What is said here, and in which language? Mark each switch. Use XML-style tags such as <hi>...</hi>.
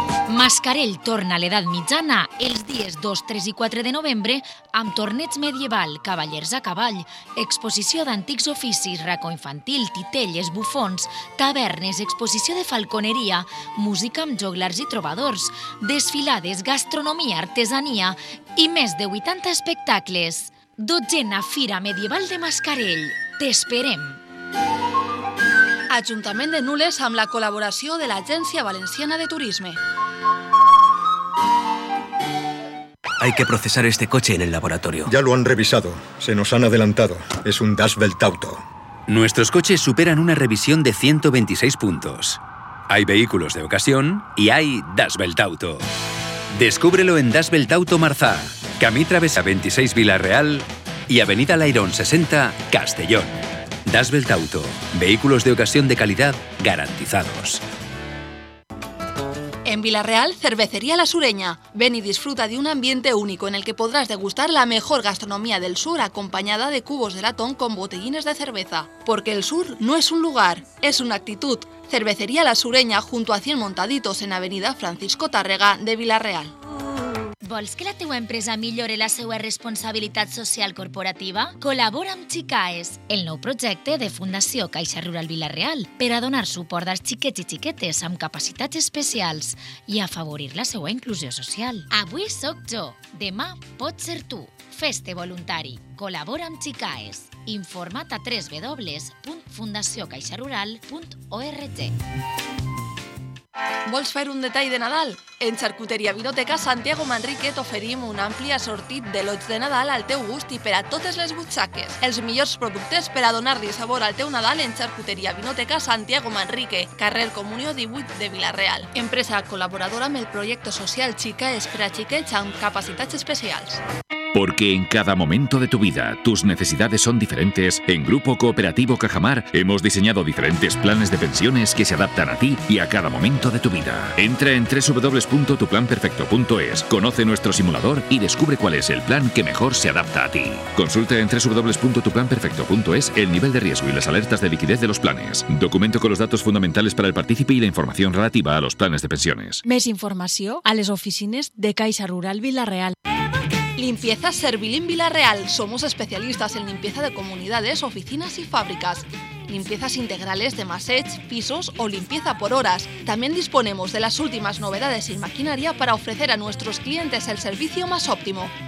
<ca>Mascarell torna a l'edat mitjana els dies 2, 3 i 4 de novembre amb torneig medieval, cavallers a cavall, exposició d'antics oficis, racó infantil, titelles, bufons, tavernes, exposició de falconeria, música amb joglars i trobadors, desfilades, gastronomia, artesania i més de 80 espectacles. 12a Fira Medieval de Mascarell. T'esperem! Ajuntament de Nules amb la col·laboració de l'Agència Valenciana de Turisme.</ca> <es>Hay que procesar este coche en el laboratorio. Ya lo han revisado. Se nos han adelantado. Es un Dash Belt Auto. Nuestros coches superan una revisión de 126 puntos. Hay vehículos de ocasión y hay Dash Belt Auto. Descúbrelo en Dash Belt Auto Marzá, Camí Travesa 26 Villarreal y Avenida Lairón 60, Castellón. Dash Belt Auto. Vehículos de ocasión de calidad garantizados. En en Villarreal, Cervecería La Sureña. Ven y disfruta de un ambiente único en el que podrás degustar la mejor gastronomía del sur acompañada de cubos de latón con botellines de cerveza. Porque el sur no es un lugar, es una actitud. Cervecería La Sureña, junto a 100 Montaditos en Avenida Francisco Tàrrega de Villarreal.</es> <ca>Vols que la teva empresa millore la seva responsabilitat social corporativa? Col·labora amb Xicaes, el nou projecte de Fundació Caixa Rural Villarreal, per a donar suport als xiquets i xiquetes amb capacitats especials i afavorir la seva inclusió social. Avui sóc jo, demà pots ser tu. Fes-te voluntari. Col·labora amb Xicaes. Informa't a www.fundaciocaixarural.org. Vols fer un detall de Nadal? En Charcuteria Biblioteca Santiago Manrique t'oferim un ampli assortit de lots de Nadal al teu gust i per a totes les butxaques. Els millors productes per a donar-li sabor al teu Nadal en Charcuteria Biblioteca Santiago Manrique, carrer Comunió 18 de Villarreal. Empresa col·laboradora amb el projecte social Xicaes per a xiquets amb capacitats especials.</ca> <es>Porque en cada momento de tu vida tus necesidades son diferentes, en Grupo Cooperativo Cajamar hemos diseñado diferentes planes de pensiones que se adaptan a ti y a cada momento de tu vida. Entra en www.tuplanperfecto.es, conoce nuestro simulador y descubre cuál es el plan que mejor se adapta a ti. Consulta en www.tuplanperfecto.es el nivel de riesgo y las alertas de liquidez de los planes. Documento con los datos fundamentales para el partícipe y la información relativa a los planes de pensiones.</es> <ca>Més informació a les oficines de Caixa Rural Villarreal.</ca> <es>Limpieza Servil en Villarreal. Somos especialistas en limpieza de comunidades, oficinas y fábricas. Limpiezas integrales de maseches, pisos o limpieza por horas. También disponemos de las últimas novedades en maquinaria para ofrecer a nuestros clientes el servicio más óptimo.</es>